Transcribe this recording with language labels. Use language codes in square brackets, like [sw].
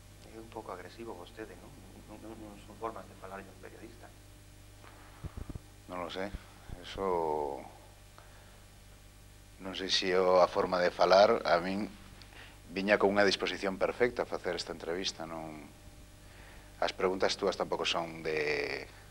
[es] Es un poco agresivo usted, ¿no? No son formas de hablar de un periodista. No lo sé. Eso... [gl] Non sei se é a forma de falar. A min viña con unha disposición perfecta a facer esta entrevista. Non... As preguntas túas tampouco son de...